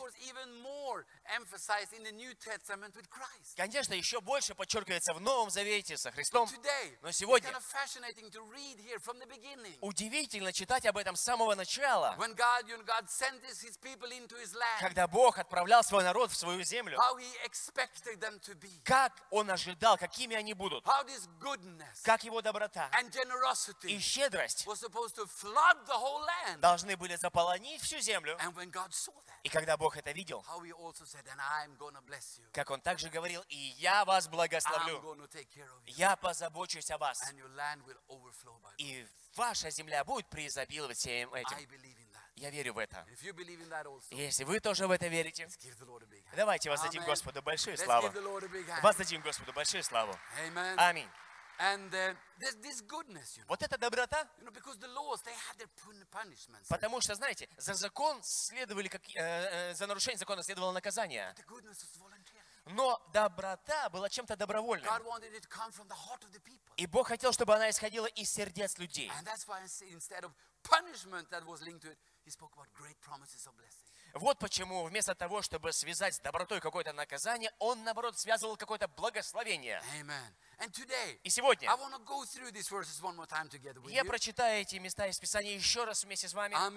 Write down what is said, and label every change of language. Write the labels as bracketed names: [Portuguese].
[English] was even more emphasized in the New Testament with Christ. [Russian] Конечно, еще больше подчеркивается в Новом Завете со Христом. [English] But today, [Russian] но сегодня, [English] it's kind of fascinating to read here from the beginning. [Russian] Удивительно читать об этом с самого начала, [English] when God, you know, God sent his people into his land, [Russian] когда Бог отправлял свой народ в свою землю, [English] how he expected them to be, [Russian] как он ожидал, какими они будут, [English] how this goodness, [Russian] как его доброта [English] and generosity, [Russian] и щедрость [English] was supposed to flood the whole land, [Russian] должны были заполонить всю землю. [English] And when God saw that, [Russian] и когда Бог это видел, [English] how he also said, and I'm gonna bless you, [Russian] как он также говорил, и я вас благословлю, [English] I'm gonna take care of you, [Russian] я позабочусь о вас, [English] and your land will overflow by [Russian] и ваша земля будет преизобиловать всем этим. Я верю в это. Если вы тоже в это верите, давайте воздадим Господу большую славу. Воздадим Господу большую славу. Аминь. [English] And this goodness, you know. [Russian] Вот эта доброта. [English] You know, because the laws, they had their punishments. [Russian] Потому что, знаете, за закон следовали, как, за нарушение закона следовало наказание. [English] But the goodness was voluntary. [Russian] Но доброта была чем-то добровольным. [English] God wanted it to come from the heart of the people. [Russian] И Бог хотел, чтобы она исходила из сердец людей. [English] And that's why instead of punishment that was linked to it, he spoke about great promises of blessing. [Russian] Вот почему вместо того, чтобы связать с добротой какое-то наказание, он наоборот связывал какое-то благословение. [English] Amen. And today, [Russian] и сегодня [English] I go through these verses one more time together with [Russian] я прочитаю эти места из Писания еще раз вместе с вами.